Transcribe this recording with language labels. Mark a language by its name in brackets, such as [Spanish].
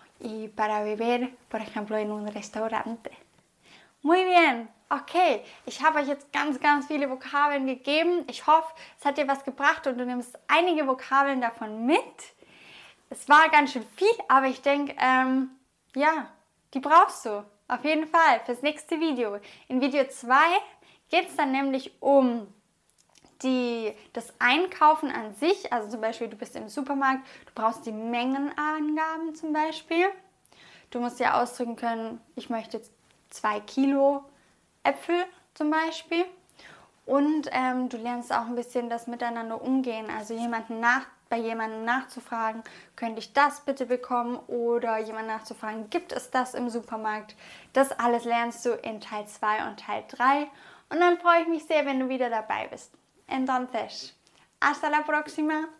[Spanish] Y para beber, por ejemplo, en un restaurante. Muy bien, okay. [German] Ich habe euch jetzt ganz, ganz viele Vokabeln gegeben. Ich hoffe, es hat dir was gebracht und du nimmst einige Vokabeln davon mit. Es war ganz schön viel, aber ich denke, die brauchst du. Auf jeden Fall, fürs nächste Video. In Video 2 geht es dann nämlich um das Einkaufen an sich. Also zum Beispiel, du bist im Supermarkt, du brauchst die Mengenangaben zum Beispiel. Du musst ja ausdrücken können, ich möchte 2 Kilo Äpfel zum Beispiel. Und du lernst auch ein bisschen das Miteinander umgehen. Also bei jemandem nachzufragen, könnte ich das bitte bekommen? Oder jemand nachzufragen, gibt es das im Supermarkt? Das alles lernst du in Teil 2 und Teil 3. Und dann freue ich mich sehr, wenn du wieder dabei bist. [Spanish] Entonces, hasta la próxima.